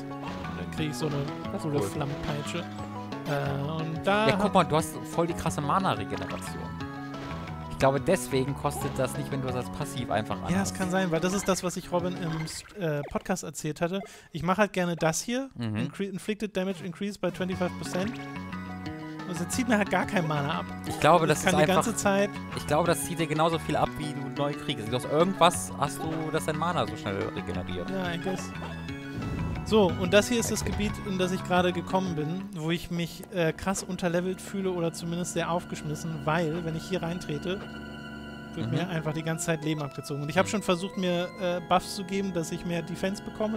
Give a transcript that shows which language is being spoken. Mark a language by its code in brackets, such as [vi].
[de] Und dann kriege ich so eine coole Flammenpeitsche. Und da ja, guck mal, du hast voll die krasse Mana-Regeneration. Ich glaube, deswegen kostet das nicht, wenn du das als Passiv einfach anhast. Ja, das kann sein, weil das ist das, was ich Robin im Podcast erzählt hatte. Ich mache halt gerne das hier. [en] Inflicted Damage Increase by 25%. [de] Also das zieht mir halt gar kein Mana ab. Ich glaube, das ist einfach. Ich kann die ganze Zeit. Ich glaube, das zieht dir genauso viel ab, wie du neu kriegst. Du hast irgendwas, hast du, dass dein Mana so schnell regeneriert. [en] Ja, I guess. [de] So, und das hier ist das Gebiet, in das ich gerade gekommen bin, wo ich mich krass unterlevelt fühle oder zumindest sehr aufgeschmissen, weil, wenn ich hier reintrete, wird mir einfach die ganze Zeit Leben abgezogen. Und ich habe schon versucht, mir Buffs zu geben, dass ich mehr Defense bekomme.